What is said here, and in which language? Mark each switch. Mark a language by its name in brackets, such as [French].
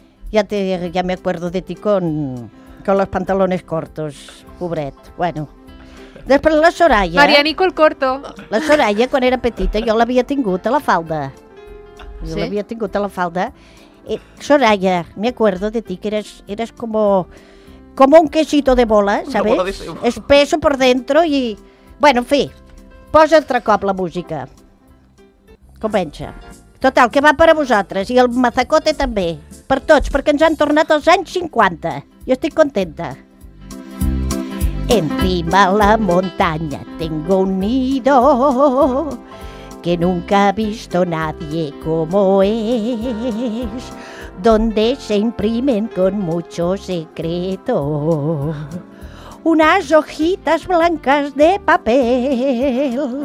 [Spanish] Ya me acuerdo de ti con los pantalones cortos, pobret. [Catalan] Bueno, després la Soraya... María Nicole Corto. La Soraya, quan era petita, jo l'havia tingut a la falda. Jo sí? L'havia tingut a la falda. [Spanish] Soraya, me acuerdo de ti, que eres como un quesito de bola, ¿sabes? Espeso por dentro y... [Catalan] Bueno, en fi, posa altre cop la música. Comença. Total, que va per a vosaltres, i el Mazacote també, per tots, perquè ens han tornat als anys 50. Jo estic contenta. [Spanish] Encima la montaña tengo un nido que nunca ha visto nadie como es, donde se imprimen con mucho secreto unas hojitas blancas de papel.